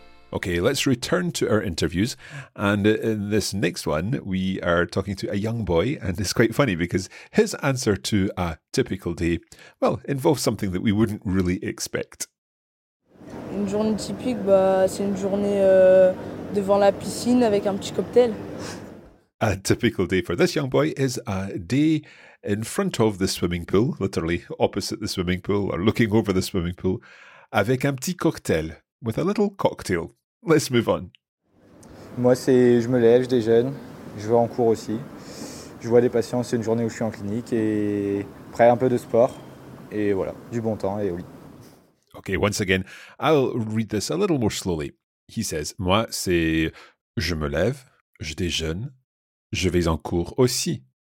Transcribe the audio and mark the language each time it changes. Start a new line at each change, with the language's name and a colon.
English: Okay, let's return to our interviews. And in this next one, we are talking to a young boy. And it's quite funny because his answer to a typical day, well, involves something that we wouldn't really expect.
French: Une journée typique, c'est une journée devant la piscine avec un petit cocktail.
English: A typical day for this young boy is a day in front of the swimming pool, literally opposite the swimming pool or looking over the swimming pool,
French: avec un petit cocktail.
English: With a little cocktail. Let's move on.
French: Moi, c'est je me lève, je déjeune, je vais en cours aussi. Je vois des patients, c'est une journée où je suis en clinique et après un peu de sport et voilà, du bon temps et au lit.
English: Okay, once again, I'll read this a little more slowly. He says,
French: moi, c'est je me lève, je déjeune, je vais en cours aussi.